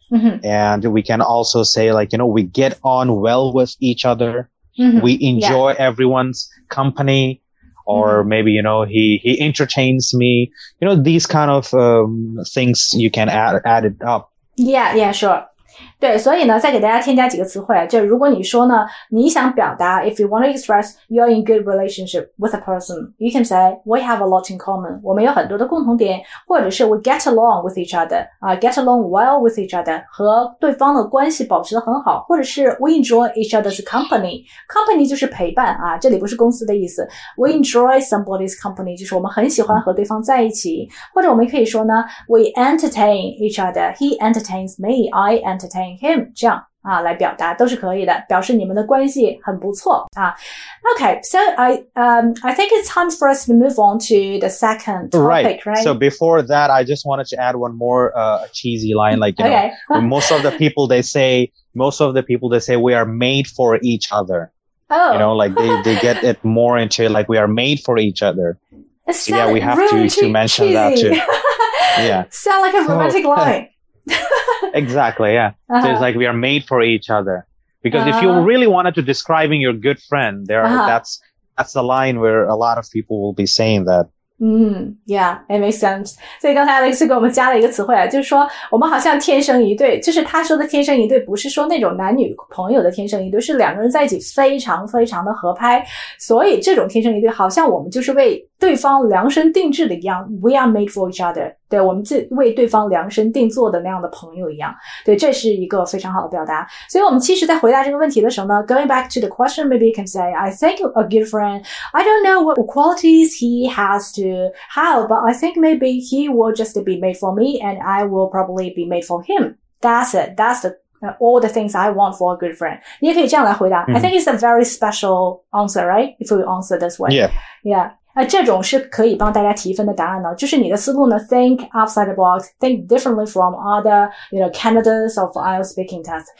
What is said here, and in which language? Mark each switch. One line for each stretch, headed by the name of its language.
English: Mm-hmm. And we can also say, like, you know, we get on well with each other. Mm-hmm. We enjoy everyone's company. Or mm-hmm. maybe, you know, he entertains me. You know, these kind of things you can add it up. Yeah, sure.
Chinese: 对，所以呢，再给大家添加几个词汇。就如果你说呢，你想表达
English: if you want to express you're in good relationship with a person, you can say, we have a lot in common.
Chinese: 我们有很多的共同点，或者是
English: we get along with each other, get along well with each other,
Chinese: 和对方的关系保持得很好，或者是
English: we enjoy each other's company.
Chinese: Company 就是陪伴啊，这里不是公司的意思。
English: We enjoy somebody's company,
Chinese: 就是我们很喜欢和对方在一起。或者我们可以说呢，
English: we entertain each other. He entertains me, I entertain.
Chinese: Him, 这样啊，来表达都是可以的，表示你们的关系很不错啊。
English: Okay, so I think it's time for us to move on to the second topic, right? So before that, I just wanted to add one more cheesy line, like, you know, most of the people they say we are made for each other. Oh, you know, like they get it more into like we are made for each other. So, yeah, we have really to mention that too. Yeah, sound like a romantic line. Exactly, yeah. Uh-huh. So it's like we are made for each other. Because if you really wanted to describing your good friend, that's the line where a lot of people will be saying that. Mm, yeah, it makes sense.
Chinese: 所以刚才 Alex 给我们加了一个词汇，就是说我们好像天生一对，就是他说的天生一对不是说那种男女朋友的天生一对，是两个人在一起非常非常的合拍。所以这种天生一对好像我们就是为对方量身定制的一样 ，
English: we are made for each other，
Chinese: 对，我们自为对方量身定做的那样的朋友一样，对，这是一个非常好的表达。所以我们其实在回答这个问题的时候呢
English: ，going back to the question， maybe you can say， I think a good friend， I don't know what qualities he has to have， but I think maybe he will just be made for me， and I will probably be made for him。 That's it， that's theall the things I want for a good friend.
Chinese: 你也可以这样来回答。
English: Mm-hmm. I think it's a very special answer, right? If we answer this way. Yeah. Yeah.
Chinese: 那这种是可以帮大家提分的答案呢。就是你的思路呢
English: ,think outside the box, think differently from other, you know, candidates of IELTS speaking test.